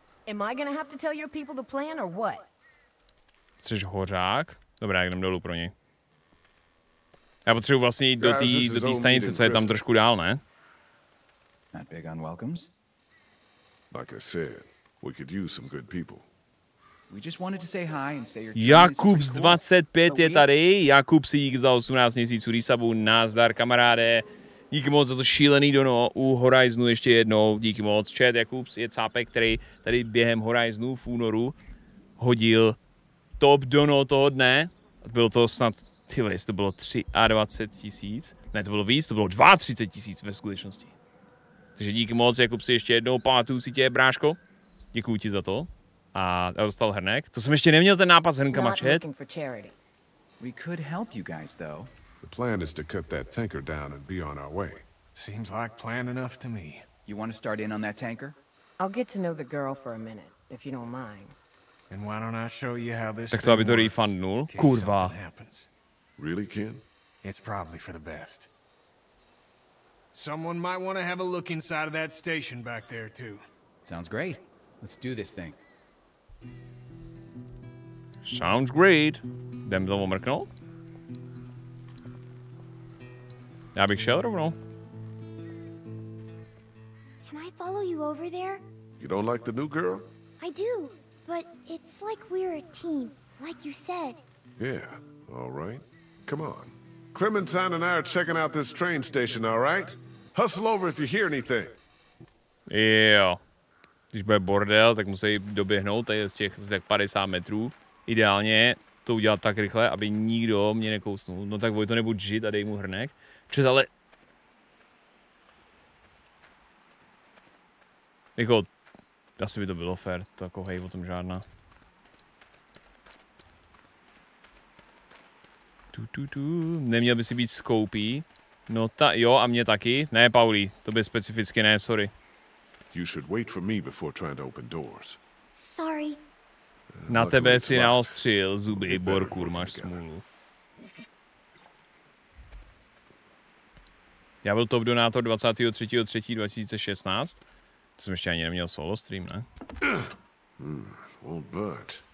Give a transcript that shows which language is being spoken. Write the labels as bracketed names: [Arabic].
[English] Am I gonna have to tell your people the plan or what? [Czech] Chceš hořák? Dobrá, jak jdem dolů pro něj. Já potřebuji vlastně jít do té stanice, co je tam trošku dál, ne? [English] Not big on welcomes. Like I said, we could use some good people. We just wanted to say hi and say your [Czech] Jakubs 25 je tady. Jakub si dík za 18 měsíců resubu. Nazdar, kamaráde. Díky moc za to šílený dono u Horizonu ještě jednou. Díky moc. Chat Jakubs je cápek, který tady během Horizonu v únoru hodil top dono toho dne. Bylo to snad, tyhle, jestli to bylo 23 tisíc. Ne, to bylo víc, to bylo 32 tisíc ve skutečnosti. Takže díky moc, Jakubs, ještě jednou. Pamatuju si tě, bráško. Děkuju ti za to. A já dostal hrnek. To jsem ještě neměl ten nápad s hrnkama, chat. [English] We could help you guys, though. The plan is to cut that tanker down and be on our way. Seems like plan enough to me. You want to start in on that tanker? I'll get to know the girl for a minute, if you don't mind. And why don't I show you how this [Czech] thing works? Tak to aby to refundnul. Kurva. Happens. [English] Really, Ken? It's probably for the best. Someone might want to have a look inside of that station back there, too. Sounds great. Let's do this thing. [Czech] Sounds great. Jdem to omrknout? Já bych šel rovnou. [English] Can I follow you over there? You don't like the new girl? I do, but it's like we're a team, like you said. Yeah, all right. Come on. Clementine and I are checking out this train station, all right? Hustle over if you hear anything. Yeah. [Czech] Když bude bordel, tak musí doběhnout tady z těch z tak 50 metrů. Ideálně to udělat tak rychle, aby nikdo mě nekousnul. No tak Vojto, nebuď žít a dej mu hrnek. Čet, ale... Jako, asi by to bylo fér, to jako hej, o tom žádná. Tu. Neměl by si být skoupý. No ta, jo, a mě taky. Ne, Pauli, to by specificky ne, sorry. [English] You should wait for me before trying to open doors. Sorry. [Czech] Na tebe si naostřil zuby, Borku, máš smůlu. Já byl top donátor 23.3.2016. To jsem ještě ani neměl solo stream, ne? [English] Won't burn.